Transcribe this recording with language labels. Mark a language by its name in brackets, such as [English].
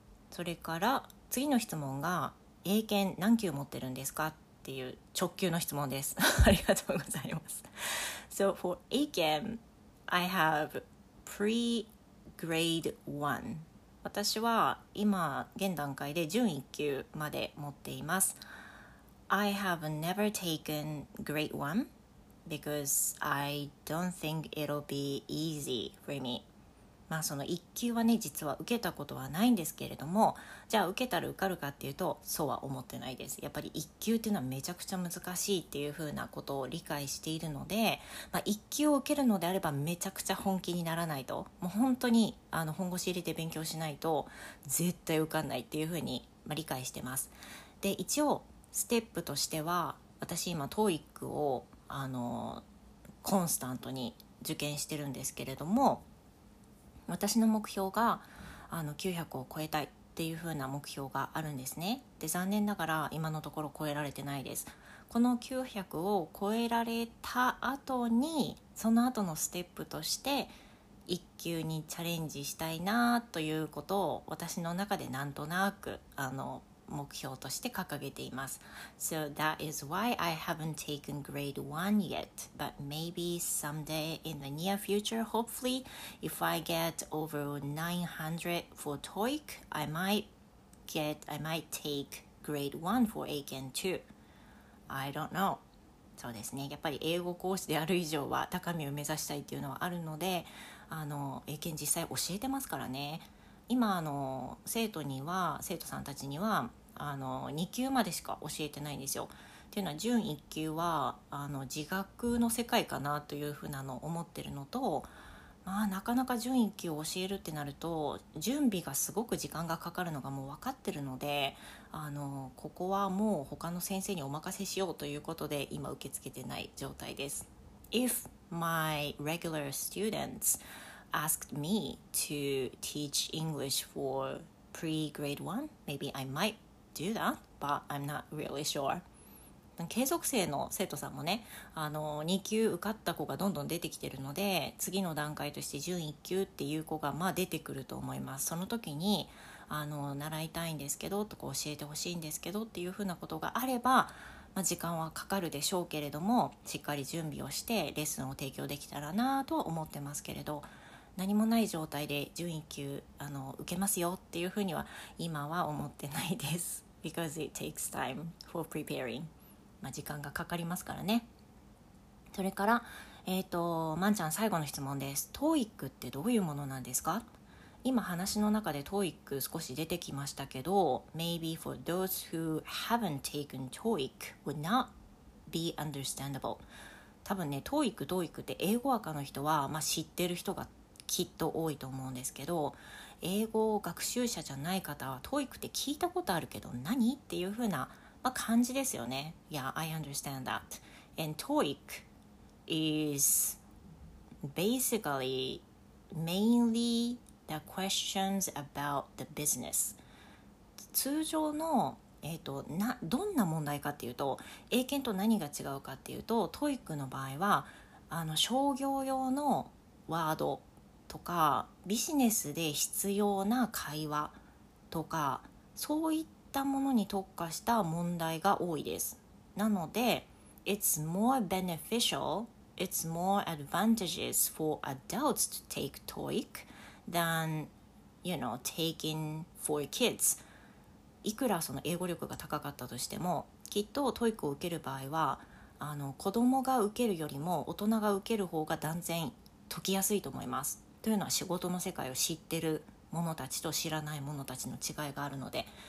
[Japanese] それから次の質問が、英検何級持ってるんですかっていう直球の質問です。ありがとうございます。 [English] So for 英検 I have pre-grade 1。 [Japanese] 私は今現段階で準1級まで持っています。 [English] I have never taken grade 1 because I don't think it'll be easy for me。 [Japanese] まあその1級はね、実は受けたことはないんですけれども、じゃあ受けたら受かるかっていうと、そうは思ってないです。やっぱり1級っていうのはめちゃくちゃ難しいっていうふうなことを理解しているので、まあ、1級を受けるのであればめちゃくちゃ本気にならないと、もう本当に本腰入れて勉強しないと絶対受かんないっていうふうに理解してます。で、一応ステップとしては、私今 TOEIC をコンスタントに受験してるんですけれども、私の目標が900を超えたいっていう風な目標があるんですね。で、残念ながら今のところ超えられてないです。この900を超えられた後に、その後のステップとして1級にチャレンジしたいなということを、私の中でなんとなく目標として掲げています。 [English] So that is why I haven't taken grade 1 yet, but maybe someday in the near future, hopefully, if I get over 900 for TOEIC, I might take grade 1 for AKEN 2. I don't know. [Japanese] そうですね、やっぱり英語講師である以上は高みを目指したいっていうのはあるので、AKEN 実際教えてますからね。今生徒さんたちには2級までしか教えてないんですよ。っていうのは、準1級は自学の世界かなというふうなのを思ってるのと、まあなかなか準1級を教えるってなると準備がすごく時間がかかるのがもう分かってるので、ここはもう他の先生にお任せしようということで今受け付けてない状態です。 [English] If my regular students asked me to teach English for pre-grade 1, maybe I mightdo that, but I'm not really sure. [Japanese] 継続生の生徒さんもね、2級受かった子がどんどん出てきてるので、次の段階として準1級っていう子が出てくると思います。その時に習いたいんですけどとか、教えてほしいんですけどっていうふうなことがあれば、時間はかかるでしょうけれども、しっかり準備をしてレッスンを提供できたらなとは思ってますけれど、何もない状態で準1級受けますよっていうふうには今は思ってないです。 [English] Because it takes time for preparing、 [Japanese] 時間がかかりますからね。それから、まんちゃん最後の質問です。 TOEIC ってどういうものなんですか？今話の中で TOEIC 少し出てきましたけど、 [English] Maybe for those who haven't taken TOEIC would not be understandable。 [Japanese] 多分ね、TOEIC、TOEIC って英語学の人は、まあ、知ってる人がきっと多いと思うんですけど、英語学習者じゃない方は TOEIC って聞いたことあるけど何っていう風な、まあ、感じですよね。 [English] Yeah, I understand that. And TOEIC is basically mainly the questions about the business. [Japanese] 通常のどんな問題かっていうと、英検と何が違うかっていうと、 TOEIC の場合は商業用のワードとかビジネスで必要な会話とか、そういったものに特化した問題が多いです。なので [English] It's more beneficial, it's more advantageous for adults to take TOEIC than, you know, taking for kids。 [Japanese] いくらその英語力が高かったとしても、きっと TOEIC を受ける場合は子供が受けるよりも大人が受ける方が断然解きやすいと思います。というのは、仕事の世界を知ってる者たちと知らない者たちの違いがあるので。